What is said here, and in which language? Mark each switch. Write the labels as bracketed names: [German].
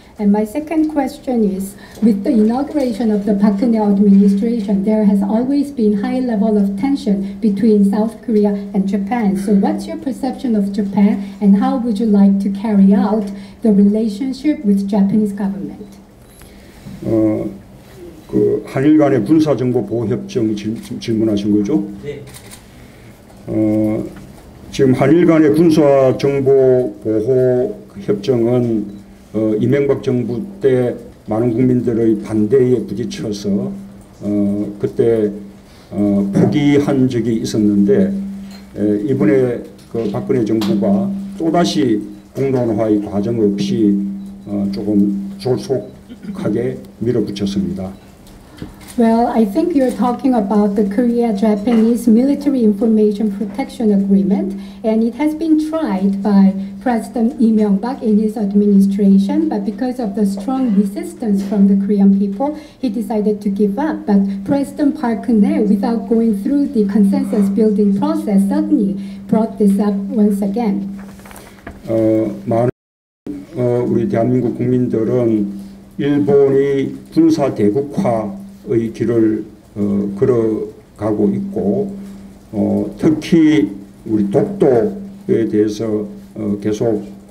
[English] And my second question is, with the inauguration of the Park administration, there has always been high level of tension between South Korea and Japan. So what's your perception of Japan and how would you like to carry out the relationship with Japanese government? [Korean] 그 한일 간의 군사정보 보호협정 질문하신 거죠? 네. 지금 한일 간의 군사 정보 보호 협정은 이명박 정부 때 많은 국민들의 반대에 부딪혀서 그때 포기한 적이 있었는데 이번에 그 박근혜 정부가 또다시 공론화의 과정 없이 조금 졸속하게 밀어붙였습니다. [English] Well, I think you're talking about the Korea-Japanese Military Information Protection Agreement, and it has been tried by President Lee Myung-bak in his administration, but because of the strong resistance from the Korean people, he decided to give up. But President Park Geun-hye, without going through the consensus building process, suddenly brought this up once again. [Korean] 우리 대한민국 국민들은 일본이 군사 대국화 의 길을 걸어가고 있고 특히 우리 독도에 대해서 계속